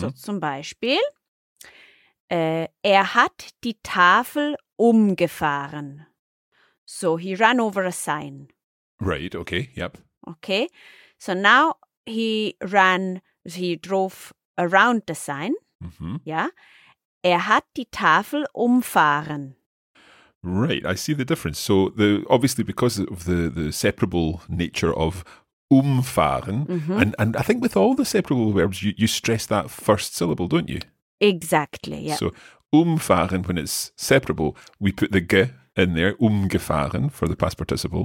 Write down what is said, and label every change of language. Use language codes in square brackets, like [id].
[de] So zum Beispiel, er hat die Tafel umgefahren. [en] So he ran over a sign. Right, okay, yep. Okay, so now he drove around the sign. Mm-hmm. Yeah. [de] Er hat die Tafel umfahren. [en] Right, I see the difference. So obviously because of the separable nature of umfahren, mm-hmm, and I think with all the separable verbs, you stress that first syllable, don't you? Exactly, yeah. So umfahren, when it's separable, we put the g in there, umgefahren, for the past participle.